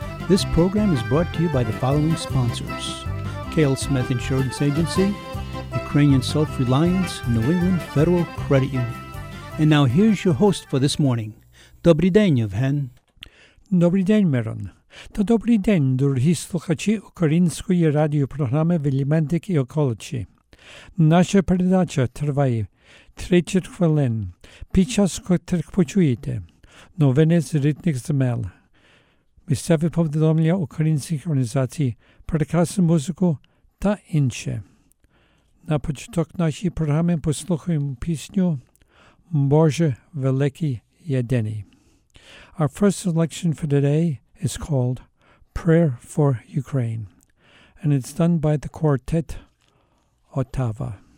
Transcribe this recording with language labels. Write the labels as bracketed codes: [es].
[en] This program is brought to you by the following sponsors: Cale Smith Insurance Agency, Ukrainian Self-Reliance, New England Federal Credit Union. And now here's your host for this morning. [uk] Добрий день, Євген. Добрий день, Мирон. Та добрий день, дорогі слухачі української радіопрограми «Велімедик і околичі». Наша передача триває 30 хвилин, під час котрих почуєте новини з рідних земель, місцеві повідомлення українських організацій, прекрасну музику та інше. На початок нашої програми послухаємо пісню «Боже великий єдиний». [en] Our first selection for today is called Prayer for Ukraine, and it's done by the quartet Ottava.